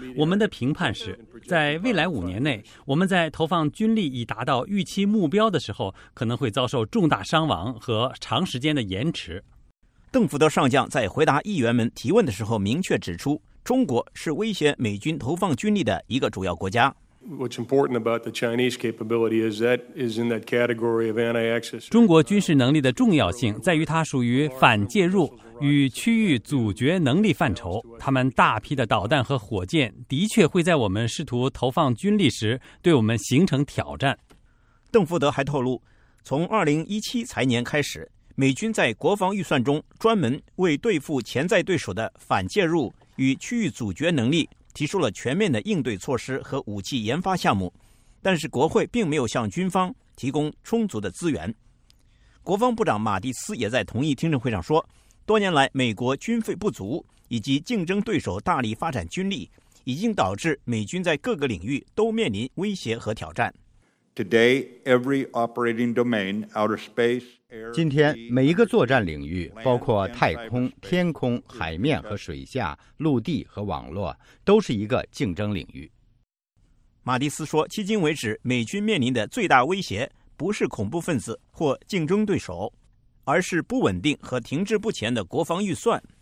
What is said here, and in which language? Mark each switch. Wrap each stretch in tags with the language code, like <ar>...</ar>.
<zh>我们的评判是，在未来5年内，我们在投放军力已达到预期目标的时候，可能会遭受重大伤亡和长时间的延迟。邓福德上将在回答议员们提问的时候明确指出，中国是威胁美军投放军力的一个主要国家。</zh> <en>What's important about the Chinese capability is that is in that category of anti-access.</en> <zh>中国军事能力的重要性在于它属于反介入与区域阻绝能力范畴。他们大批的导弹和火箭的确会在我们试图投放军力时对我们形成挑战。邓福德还透露，从2017财年开始，美军在国防预算中专门为对付潜在对手的反介入与区域阻绝能力提出了全面的应对措施和武器研发项目，但是国会并没有向军方提供充足的资源。国防部长马蒂斯也在同一听证会上说，多年来美国军费不足以及竞争对手大力发展军力，已经导致美军在各个领域都面临威胁和挑战。</zh> <en>Today, every operating domain, outer space, air,</en> <zh>今天每一个作战领域，包括太空、天空、海面和水下、陆地和网络，都是一个竞争领域。马蒂斯说，迄今为止，美军面临的最大威胁不是恐怖分子或竞争对手，而是不稳定和停滞不前的国防预算。</zh>